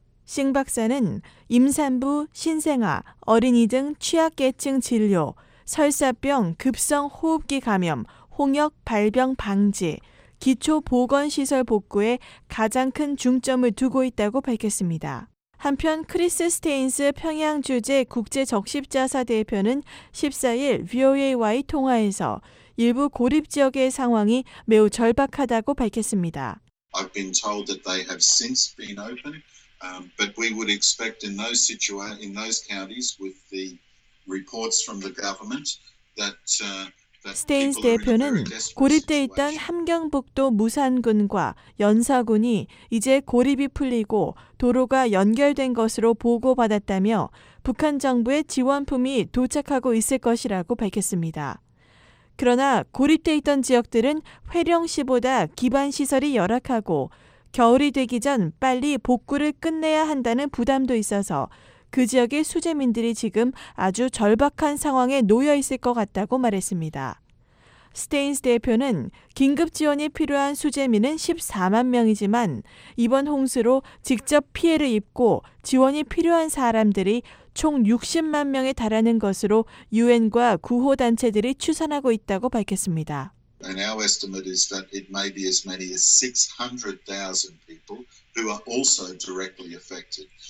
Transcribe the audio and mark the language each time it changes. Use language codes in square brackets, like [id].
[ko] 싱 박사는 임산부, 신생아, 어린이 등 취약계층 진료, 설사병, 급성 호흡기 감염, 홍역 발병 방지, 기초 보건시설 복구에 가장 큰 중점을 두고 있다고 밝혔습니다. 한편 크리스 스테인스 평양주재 국제적십자사 대표는 14일 VOA와의 통화에서 일부 고립 지역의 상황이 매우 절박하다고 밝혔습니다. [en] I've been told that they have since been open, but we would expect in those situations, in those counties, with the reports from the government, that [ko] 스테인스 대표는 고립돼 있던 함경북도 무산군과 연사군이 이제 고립이 풀리고 도로가 연결된 것으로 보고받았다며 북한 정부의 지원품이 도착하고 있을 것이라고 밝혔습니다. 그러나 고립돼 있던 지역들은 회령시보다 기반시설이 열악하고 겨울이 되기 전 빨리 복구를 끝내야 한다는 부담도 있어서 그 지역의 수재민들이 지금 아주 절박한 상황에 놓여 있을 것 같다고 말했습니다. 스테인스 대표는 긴급 지원이 필요한 수재민은 14만 명이지만 이번 홍수로 직접 피해를 입고 지원이 필요한 사람들이 총 60만 명에 달하는 것으로 UN과 구호단체들이 추산하고 있다고 밝혔습니다. [en] And our estimate is that it may be as many as 600,000 people who are also directly affected.